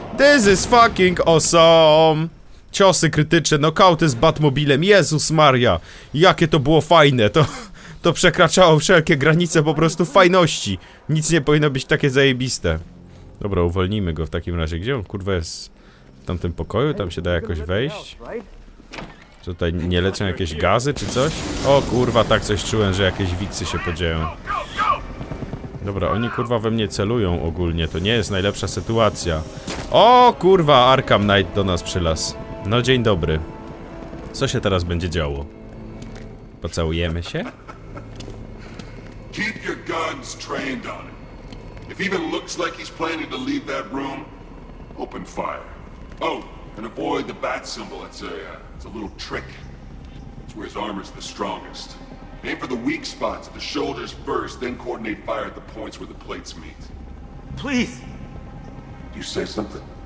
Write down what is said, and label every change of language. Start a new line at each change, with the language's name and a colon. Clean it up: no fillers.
English: This is fucking awesome!
Polish: Ciosy krytyczne, knockouty z Batmobilem. Jezus Maria, jakie to było fajne. To przekraczało wszelkie granice po prostu fajności. Nic nie powinno być takie zajebiste. Dobra, uwolnijmy go w takim razie. Gdzie on kurwa jest? W tamtym pokoju? Tam się da jakoś wejść? Czy tutaj nie lecą jakieś gazy czy coś? O kurwa, tak coś czułem, że jakieś wicy się podzieją. Dobra, oni kurwa we mnie celują ogólnie. To nie jest najlepsza sytuacja. O kurwa, Arkham Knight do nas przylazł. No dzień dobry. Co się teraz będzie działo? Pocałujemy się?
English: Keep your guns trained on him. If even looks like he's planning to leave that room, open fire. Oh, and avoid the bat symbol. It's a little trick. It's where his armor's the strongest. Aim for the weak spots, the shoulders first, then coordinate fire at the points where the plates meet. Please. You say something?